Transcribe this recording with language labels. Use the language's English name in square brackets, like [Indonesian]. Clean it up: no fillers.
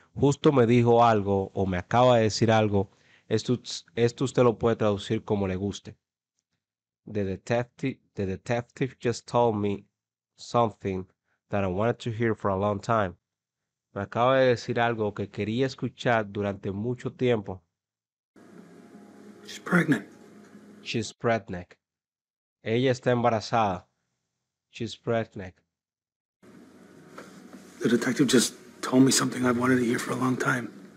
[Spanish] Justo me dijo algo o me acaba de decir algo. Esto usted lo puede traducir como le guste. [English] The detective just told me something that I wanted to hear for a long time. [Spanish] Me acaba de decir algo que quería escuchar durante mucho tiempo. [English] She's pregnant. She's pregnant. [Spanish] Ella está embarazada. [English] She's pregnant. The detective just told me something I've wanted to hear for a long time.